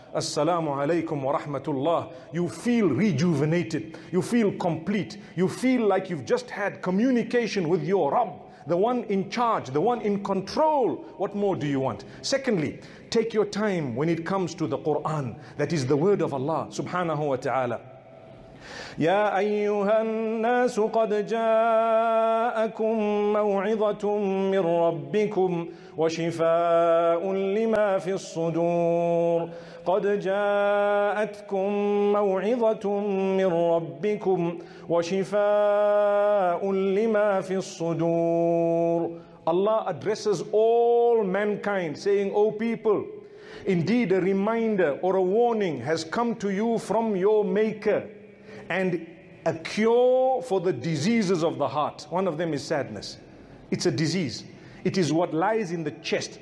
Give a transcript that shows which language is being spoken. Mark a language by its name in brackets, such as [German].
[English] Assalamu alaikum wa rahmatullah. You feel rejuvenated. You feel complete. You feel like you've just had communication with your Rabb, the one in charge, the one in control. What more do you want? Secondly, take your time when it comes to the Quran, that is the word of Allah subhanahu wa ta'ala. [Arabic] يا أيها الناس قد جاءكم موعظة من ربكم وشفاء لما في الصدور قد جاءتكم موعظة من ربكم وشفاء لما في الصدور. [English] Allah addresses all mankind saying, O people, indeed a reminder or a warning has come to you from your Maker, and a cure for the diseases of the heart. One of them is sadness. It's a disease. It is what lies in the chest.